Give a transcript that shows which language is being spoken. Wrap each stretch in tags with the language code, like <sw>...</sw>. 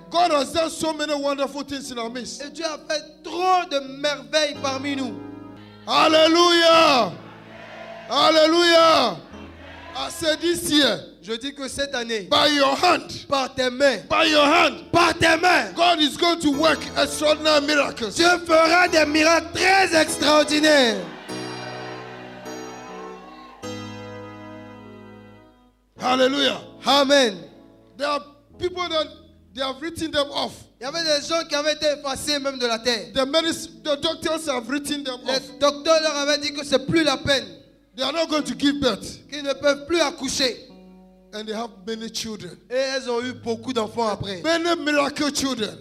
<en>God has done so many wonderful things in our midst.</en> <fr>Et Dieu a fait trop de merveilles parmi nous. Hallelujah. Alléluia. Je dis que cette année,</fr> <en>by your hand,</en> <fr>par tes mains,</fr> <en>by your hand,</en> <fr>par tes mains,</fr> <en>God is going to work extraordinary miracles.</en> <fr>Dieu fera des miracles très extraordinaires. Alléluia. Amen.</fr> <en>There are people that they have written them off.</en> <fr>Il y avait des gens qui avaient été effacés même de la terre.</fr> <en>The doctors have written them off.</en> <fr>Les docteurs leur avaient dit que c'est plus la peine.</fr> <en>They are not going to give birth.</en> <fr>Qu'ils ne peuvent plus accoucher.</fr> <en>And they have many children.</en> <fr>Et elles ont eu beaucoup d'enfants après.</fr> <en>Many miracle children.</en>